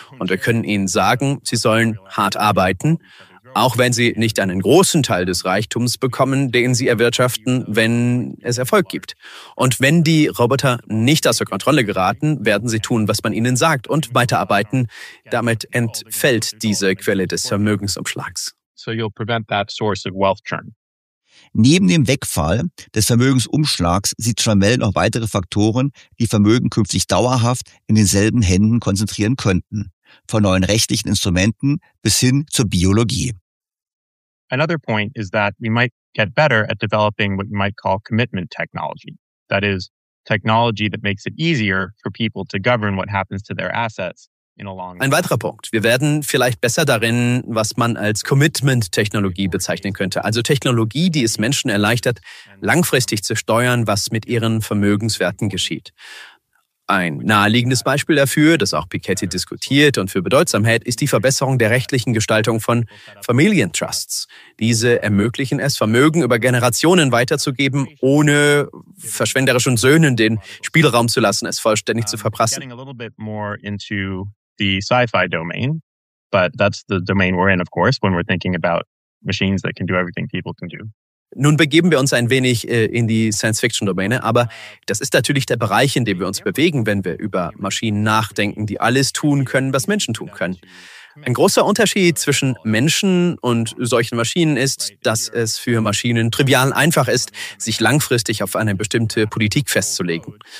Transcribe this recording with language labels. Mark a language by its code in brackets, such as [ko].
[de] Und wir können ihnen sagen, sie sollen hart arbeiten, auch wenn sie nicht einen großen Teil des Reichtums bekommen, den sie erwirtschaften, wenn es Erfolg gibt. Und wenn die Roboter nicht außer Kontrolle geraten, werden sie tun, was man ihnen sagt und weiterarbeiten. Damit entfällt diese Quelle des Vermögensumschlags. [en] So you'll prevent that source of wealth churn. [de] Neben dem Wegfall des Vermögensumschlags sieht Trammell noch weitere Faktoren, die Vermögen künftig dauerhaft in denselben Händen konzentrieren könnten, von neuen rechtlichen Instrumenten bis hin zur Biologie. [en] Another point is that we might get better at developing what you might call commitment technology. That is technology that makes it easier for people to govern what happens to their assets. [de] Ein weiterer Punkt. Wir werden vielleicht besser darin, was man als Commitment-Technologie bezeichnen könnte. Also Technologie, die es Menschen erleichtert, langfristig zu steuern, was mit ihren Vermögenswerten geschieht. Ein naheliegendes Beispiel dafür, das auch Piketty diskutiert und für bedeutsam hält, ist die Verbesserung der rechtlichen Gestaltung von Familientrusts. Diese ermöglichen es, Vermögen über Generationen weiterzugeben, ohne verschwenderischen Söhnen den Spielraum zu lassen, es vollständig zu verprassen. [en] Getting a little bit more into the sci-fi domain, but that's the domain we're in, of course, when we're thinking about machines that can do everything people can do. [de] Nun begeben wir uns ein wenig in die Science-Fiction-Domäne, aber das ist natürlich der Bereich, in dem wir uns bewegen, wenn wir über Maschinen nachdenken, die alles tun können, was Menschen tun können. Ein großer Unterschied zwischen Menschen und solchen Maschinen ist, dass es für Maschinen trivial einfach ist, sich langfristig auf eine bestimmte Politik festzulegen.